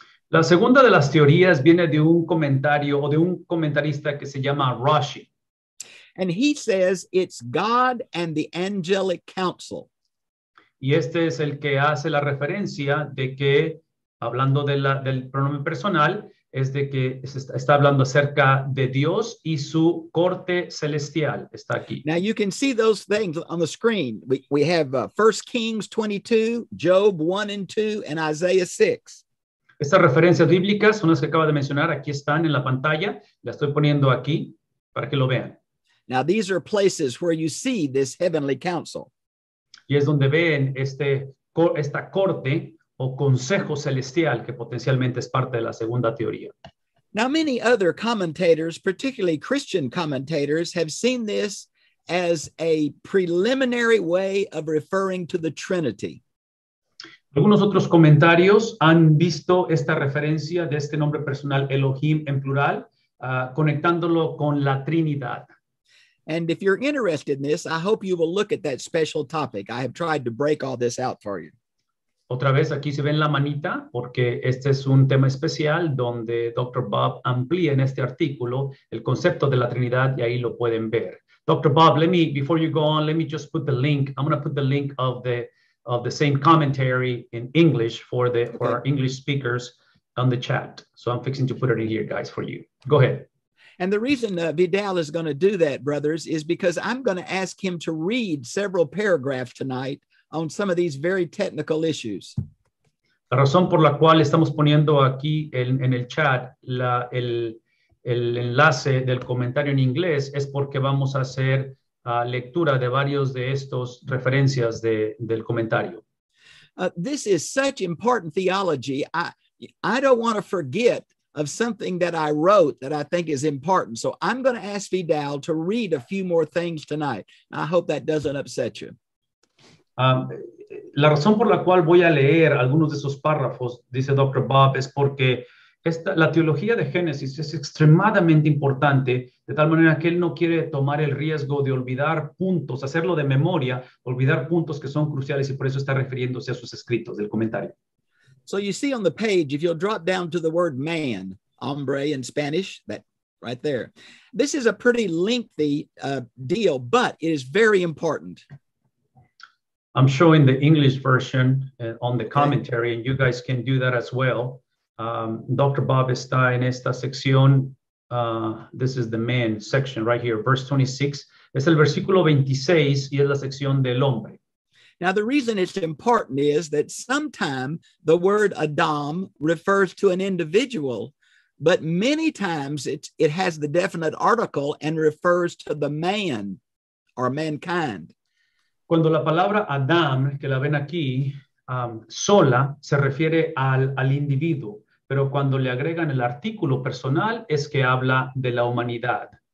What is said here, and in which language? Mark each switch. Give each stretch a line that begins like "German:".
Spanish: La segunda de las teorías viene de un comentario o de un comentarista que se llama Rashi.
English: And he says it's God and the angelic council.
Spanish: Y este es el que hace la referencia de que, hablando del pronombre personal, es de que está hablando acerca de Dios y su corte celestial. Está aquí.
English: Now you can see those things on the screen. We have 1 Kings 22, Job 1 and 2, and Isaiah 6.
Spanish: Estas referencias bíblicas son las que acaba de mencionar. Aquí están en la pantalla. La estoy poniendo aquí para que lo vean.
English: Now, these are places where you see this heavenly council.
Spanish: Y es donde ven esta corte o consejo celestial que potencialmente es parte de la segunda teoría.
English: Now, many other commentators, particularly Christian commentators, have seen this as a preliminary way of referring to the Trinity.
Spanish: Algunos otros comentarios han visto esta referencia de este nombre personal Elohim en plural, conectándolo con la Trinidad.
English: And if you're interested in this, I hope you will look at that special topic. I have tried to break all this out for you.
Spanish: Otra vez aquí se ve en la manita, porque este es un tema especial donde Dr. Bob amplía en este artículo el concepto de la Trinidad y ahí lo pueden ver.
English: Dr. Bob, let me just put the link. I'm going to put the link of the same commentary in English for our English speakers on the chat. So I'm fixing to put it in here, guys, for you. Go ahead. And the reason Vidal is going to do that, brothers, is because I'm going to ask him to read several paragraphs tonight on some of these very technical issues.
Spanish: La razón por la cual estamos poniendo aquí en el chat el enlace del comentario en inglés es porque vamos a hacer lectura de varios de estos referencias del comentario.
English: This is such important theology. I don't want to forget of something that I wrote that I think is important. So I'm going to ask Vidal to read a few more things tonight. I hope that doesn't upset you.
Spanish: La razón por la cual voy a leer algunos de esos párrafos, dice Dr. Bob, es porque la teología de Génesis es extremadamente importante, de tal manera que él no quiere tomar el riesgo de olvidar puntos, hacerlo de memoria, olvidar puntos que son cruciales, y por eso está refiriéndose a sus escritos del comentario.
English: So you see on the page, if you'll drop down to the word man, hombre in Spanish, that right there. This is a pretty lengthy deal, but it is very important. I'm showing the English version on the commentary, and you guys can do that as well. Dr. Bob
Spanish: está en esta sección.
English: This is the man section right here, verse 26.
Spanish: Es el versículo 26 y es la sección del hombre.
English: Now, the reason it's important is that sometime the word Adam refers to an individual, but many times it has the definite article and refers to the man or mankind.
Spanish: Cuando la palabra Adam, que la ven aquí, sola, se refiere al individuo. Pero cuando le agregan el artículo personal, es que habla de la humanidad.